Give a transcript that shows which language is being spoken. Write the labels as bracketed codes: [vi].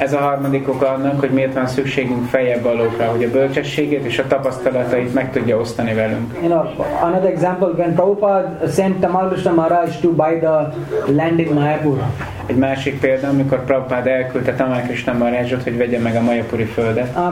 [hu] Ez a harmadik oka annak, hogy miért van szükségünk feljebbvalókra, hogy a bölcsességét és a tapasztalatait meg tudja osztani velünk. [en] You know, another example, when Prabhupada sent Tamalkrishna Maharaj to buy the land in Mayapur. [hu] Egy másik példa, amikor Prabhupada elküldte Tamalkrishna Maharajot, hogy vegye meg a Mayapuri földet.